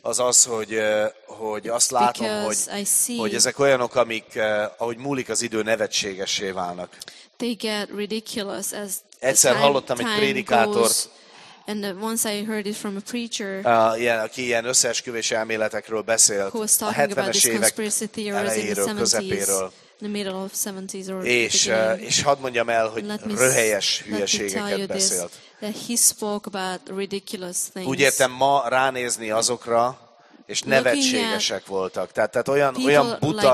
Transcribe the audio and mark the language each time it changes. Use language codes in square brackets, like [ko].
[hu] Az az, hogy azt látom, hogy ezek olyanok, amik, ahogy múlik az idő, nevetségessé válnak. [en] They get ridiculous as [hu] egyszer [en] time, [hu] hallottam egy prédikátort, [en] and once I heard it from a preacher, [hu] yeah, aki ilyen összeesküvés elméletekről beszélt, [en] who was talking [hu] a 70-es [en] about this conspiracy theory [hu] elejéről, [en] in the 70s, [hu] közepéről. [en] In the middle of 70s or [hu] és hadd mondjam el, hogy röhelyes hülyeségeket beszélt. [en] That he spoke about ridiculous things. [hu] Úgy értem, ma ránézni azokra, és nevetségesek voltak. Tehát olyan buta